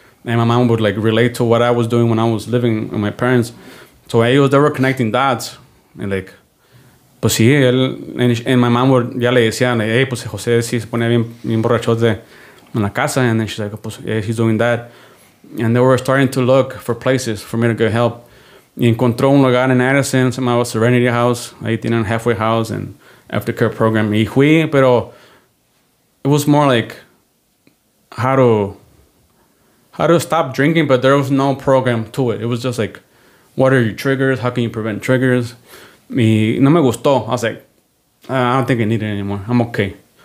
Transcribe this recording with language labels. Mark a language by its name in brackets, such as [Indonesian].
[English] And my mom would, like, relate to what I was doing when I was living with my parents. So they were connecting dots. And, like, [Spanish] pues sí, [English] and my mom would, [Spanish] ya le decía, [English] like, hey, [Spanish] pues José sí se pone bien borrachote en la casa. [English] And then she's like, pues, yeah, he's doing that. And they were starting to look for places for me to get help. [Spanish] Y encontró un lugar en Addison, se llamaba Serenity House. Ahí tienen halfway house and aftercare program. Y fui, pero [English] it was more like how to stop drinking, but there was no program to it. It was just like, what are your triggers? How can you prevent triggers? [Spanish] Y no me gustó. [English] I was like, I don't think I need it anymore. I'm okay.